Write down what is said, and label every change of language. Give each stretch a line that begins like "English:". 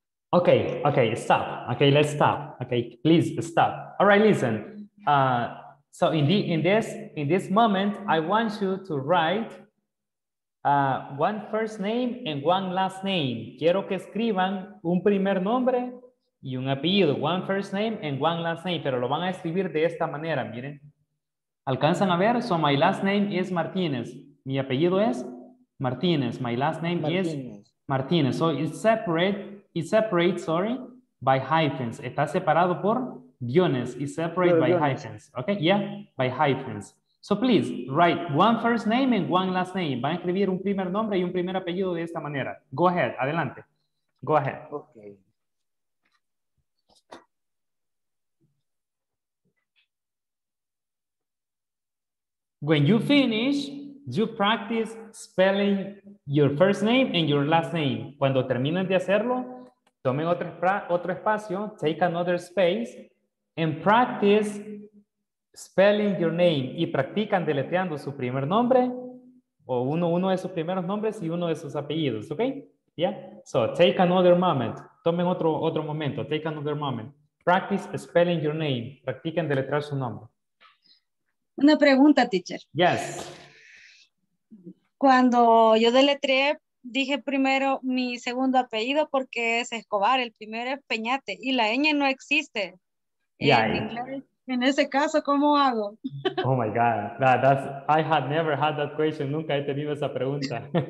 English: Okay, okay, stop. Okay, let's stop. Okay, please stop. All right, listen. So in this moment, I want you to write one first name and one last name.
Spanish: Quiero que escriban un primer nombre y un apellido.
English: One first name and one last name.
Spanish: Pero lo van a escribir de esta manera, miren. ¿Alcanzan a ver?
English: So my last name is Martínez.
Spanish: Mi apellido es Martínez.
English: My last name Martínez. Is Martínez. So it's separate. It separates, sorry, by hyphens.
Spanish: Está separado por guiones.
English: It separates by hyphens. Okay, yeah, by hyphens. So please, write one first name and one last name.
Spanish: Va a escribir un primer nombre y un primer apellido de esta manera.
English: Go ahead,
Spanish: adelante.
English: Go ahead. Okay. When you finish, you practice spelling your first name and your last name.
Spanish: Cuando terminen de hacerlo, tomen otro espacio,
English: take another space,
Spanish: and practice spelling your name. Y practican deleteando su primer nombre, o uno de sus primeros nombres y uno de sus apellidos, ¿ok?
English: Yeah, so take another moment.
Spanish: Tomen otro momento.
English: Take another moment. Practice spelling your name.
Spanish: Practiquen deletrear su nombre. Una pregunta, teacher.
English: Yes.
Spanish: Cuando yo deletreé, dije primero mi segundo apellido porque es Escobar. El primero es Peñate y la ñ no existe.
English: Yeah.
Spanish: En ese caso, ¿cómo hago?
English: Oh my God, that's I had never had that question.
Spanish: Nunca he tenido esa pregunta.